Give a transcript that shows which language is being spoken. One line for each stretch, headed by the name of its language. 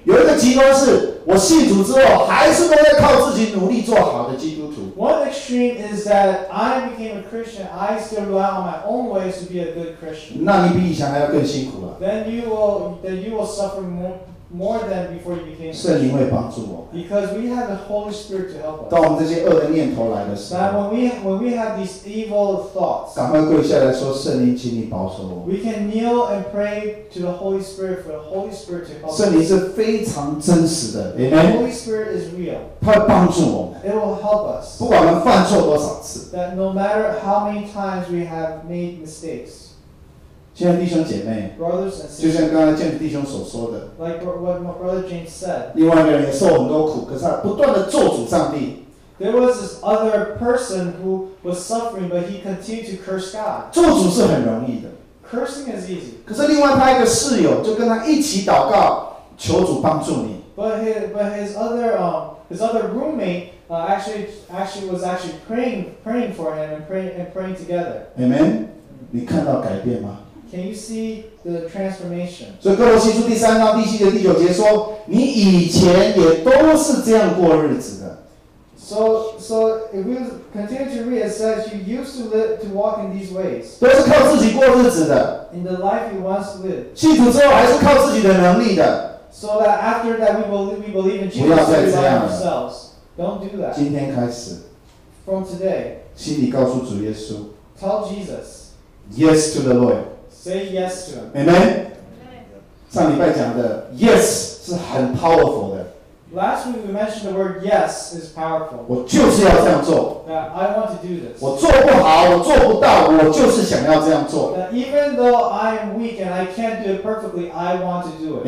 Chinese: 有一个极端是我信主之后还是没有靠自己努力做好的基督徒。
English: One extreme is that I became a Christian, I still rely on my own ways to be a good Christian.
Chinese: 那你比以前还要更辛苦了。
English: Then you will suffer more than before you became.
Chinese: 圣灵会帮助我。
English: Because we have the Holy Spirit to help us.
Chinese: 当我们这些恶的念头来的时候。
English: That when we have these evil thoughts.
Chinese: 赶快跪下来说，圣灵，请你保守我。
English: We can kneel and pray to the Holy Spirit for the Holy Spirit to help us.
Chinese: 圣灵是非常真实的。
English: The Holy Spirit is real.
Chinese: 他会帮助我们。
English: It will help us.
Chinese: 不管我们犯错多少次。
English: That no matter how many times we have made mistakes.
Chinese: 亲爱的弟兄姐妹
English: Brothers and sisters,
Chinese: 就像刚才建筑弟兄所说的
English: like what my brother James said,
Chinese: 另外一个人也受很多苦可是他不断地咒诅上帝
English: There was this other person who was suffering but he continued to curse God
Chinese: 咒诅是很容易的
English: Cursing is easy
Chinese: 可是另外他一个室友就跟他一起祷告求主帮助你
English: But his other roommate was actually praying for him and praying together
Chinese: Amen 你看到改变吗
English: Can you see the transformation?
Chinese: 所以哥罗西书第三章第七节第九节说，你以前也都是这样过日子的。
English: So if we continue to read, it says you used to live to walk in these ways.
Chinese: 都是靠自己过日子的。
English: In the life you once lived.
Chinese: 信主之后还是靠自己的能力的。
English: So that after that we believe in Jesus, we rely on ourselves. Don't do that.
Chinese: 今天开始。
English: From today.
Chinese: 心里告诉主耶稣。
English: Tell Jesus. Yes to the Lord. Say yes to him.
Chinese: Amen. Amen. 上礼拜讲的 yes 是很 powerful 的。
English: Last week we mentioned the word yes is powerful.
Chinese: 我就是要这样做。
English: That I want to do this.
Chinese: 我做不好，我做不到，我就是想要这样做。
English: That even though I am weak and I can't do it perfectly, I want to do it.